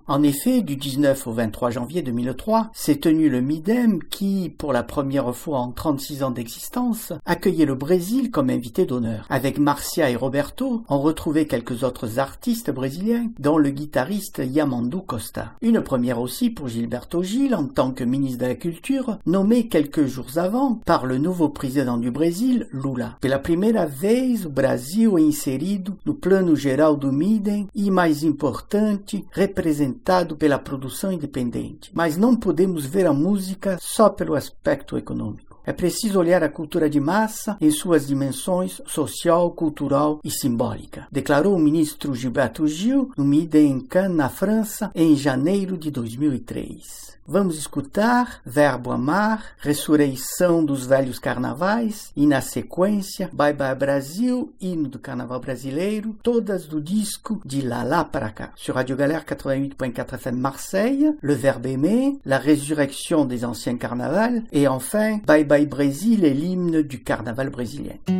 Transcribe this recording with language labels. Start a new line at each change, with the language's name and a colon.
French: En effet, du 19 au 23 janvier 2003, s'est tenu le MIDEM qui, pour la première fois en 36 ans d'existence, accueillait le Brésil comme invité d'honneur. Avec Marcia et Roberto, on retrouvait quelques autres artistes brésiliens, dont le guitariste Yamandu Costa. Une première aussi pour Gilberto Gil en tant que ministre de la Culture, nommé quelques jours avant par le nouveau président du Brésil, Lula.
Portuguese: Pela primeira vez, o Brasil é inserido no plano geral do MIDEM e, mais importante, representado pela produção independente. Mas não podemos ver a música só pelo aspecto econômico. É preciso olhar a cultura de massa em suas dimensões social, cultural e simbólica, declarou o ministro Gilberto Gil no MIDEM em Cannes, na França, em janeiro de 2003. Vamos escutar Verbo Amar, Ressurreição dos Velhos Carnavais e, na sequência, Bye Bye Brasil, Hino do Carnaval Brasileiro, todas do disco de Lala para cá.
French: Sur Radio Galère 88.4 FM Marseille, Le Verbe Aimer, La Résurrection des Anciens Carnavals et enfin Bye Bye Brésil et l'hymne du Carnaval Brésilien.